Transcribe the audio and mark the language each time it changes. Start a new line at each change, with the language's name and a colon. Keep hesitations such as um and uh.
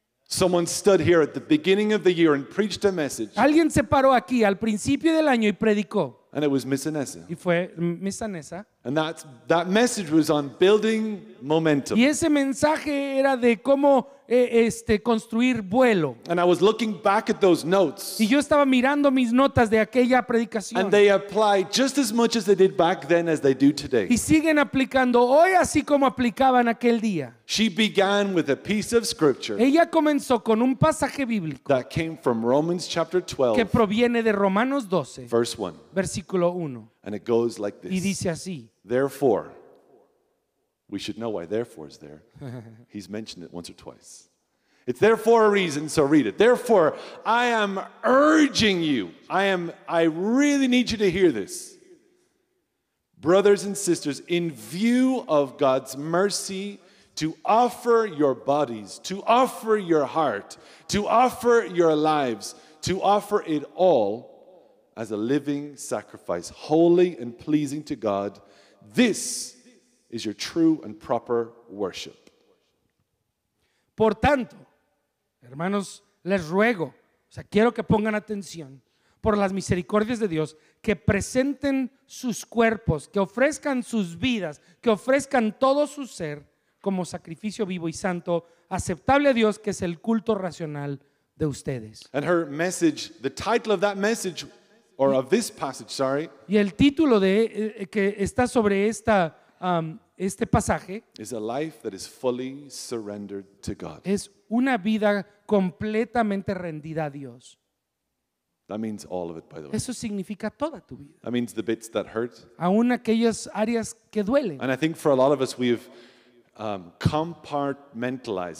English: Someone stood here at the beginning of the year and preached a message.
Spanish: Alguien se paró aquí al principio del año y predicó.
English: And it was Miss Anessa. Y
Spanish: fue Miss Anessa.
English: And that, that message was on building momentum.
Spanish: Y ese mensaje era de cómo eh, este, construir vuelo.
English: And I was looking back at those notes.
Spanish: Y yo estaba mirando mis notas de aquella predicación. Y siguen aplicando hoy así como aplicaban aquel día.
English: She began with a piece of scripture that came from Romans chapter 12, que proviene de Romanos 12, verse 1. versículo 1. And it goes like this. Therefore, we should know why therefore is there. He's mentioned it once or twice. It's therefore a reason, so read it. Therefore, I am urging you. I am I really need you to hear this. Brothers and sisters, in view of God's mercy, to offer your bodies, to offer your heart, to offer your lives, to offer it all As a living sacrifice, holy and pleasing to God. This is your true and proper worship.
Spanish: Por tanto, hermanos, les ruego, o sea, quiero que pongan atención por las misericordias de Dios, que presenten sus cuerpos, que ofrezcan sus vidas, que ofrezcan todo su ser como sacrificio vivo y santo, aceptable a Dios, que es el culto racional de ustedes.
English: And her message, the title of that message or of this passage, sorry.
Spanish: Y el título de que está sobre esta um, este pasaje
English: is a life that is fully surrendered to God.
Spanish: Es una vida completamente rendida a Dios.
English: That means all of it, by the way.
Spanish: Eso significa toda tu vida.
English: That means the bits that hurt. Aún
Spanish: aquellas áreas que duelen.
English: And I think for a lot of us we've um, compartmentalized.